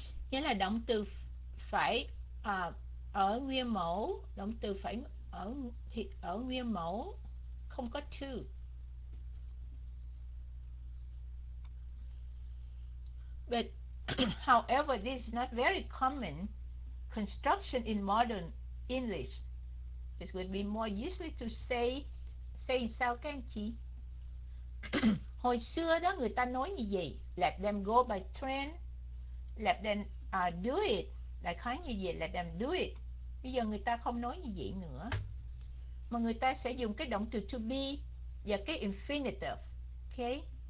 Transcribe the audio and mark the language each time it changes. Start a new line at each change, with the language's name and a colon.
Vietnamese: Nghĩa là động từ phải ở nguyên mẫu, động từ phải ở thì ở nguyên mẫu không có to.
English: But however, this is not very common construction in modern English. This would be more usually to say
Vietnamese: sao các anh chị? Hồi xưa đó người ta nói như vậy,
English: let them go by train, let them do it,
Vietnamese: đại khái như vậy,
English: let them do it.
Vietnamese: Bây giờ người ta không nói như vậy nữa, mà người ta sẽ dùng cái động từ to be và cái infinitive. Okay?